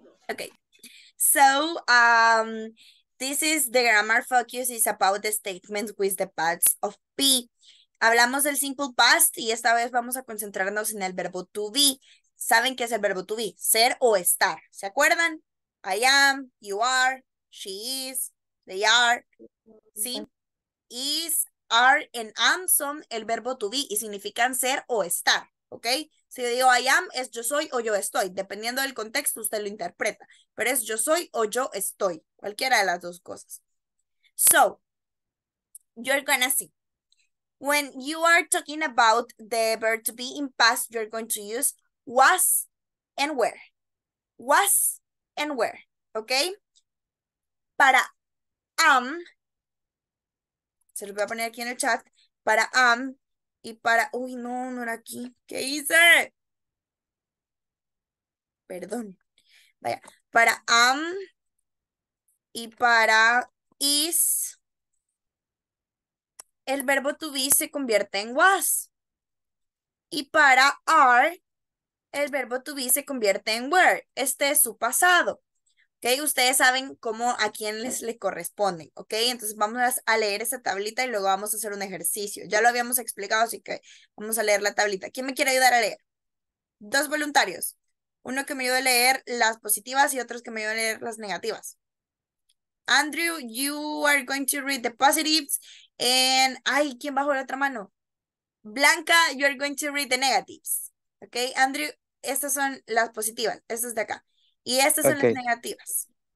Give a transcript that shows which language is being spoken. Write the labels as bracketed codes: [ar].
[en] Okay, so this is the grammar focus is about the statements with the past of be. [es] Hablamos del simple past y esta vez vamos a concentrarnos en el verbo to be. ¿Saben qué es el verbo to be? Ser o estar. ¿Se acuerdan? [en] I am, you are, she is, they are. [es] ¿Sí? Is, are, and am son el verbo to be y significan ser o estar. ¿Ok? Si yo digo I am, es yo soy o yo estoy. Dependiendo del contexto, usted lo interpreta. Pero es yo soy o yo estoy. Cualquiera de las dos cosas. [en] So, you're gonna see. When you are talking about the verb to be in past, you're going to use was and were. Was and were. ¿Ok? [es] Para am, se los voy a poner aquí en el chat, para am, y para... Uy, no, no era aquí. ¿Qué hice? Perdón. Vaya. Para am y para is, el verbo to be se convierte en was. Y para are, el verbo to be se convierte en were. Este es su pasado. ¿Ok? Ustedes saben cómo a quién les corresponde. ¿Ok? Entonces vamos a leer esa tablita y luego vamos a hacer un ejercicio. Ya lo habíamos explicado, así que vamos a leer la tablita. ¿Quién me quiere ayudar a leer? Dos voluntarios. Uno que me ayude a leer las positivas y otros que me ayude a leer las negativas. [en] Andrew, you are going to read the positives. And, ay, [es] ¿quién bajó la otra mano? [en] Blanca, you are going to read the negatives. [es] ¿Ok? Andrew, estas son las positivas. Estas de acá. Y estas son las negativas.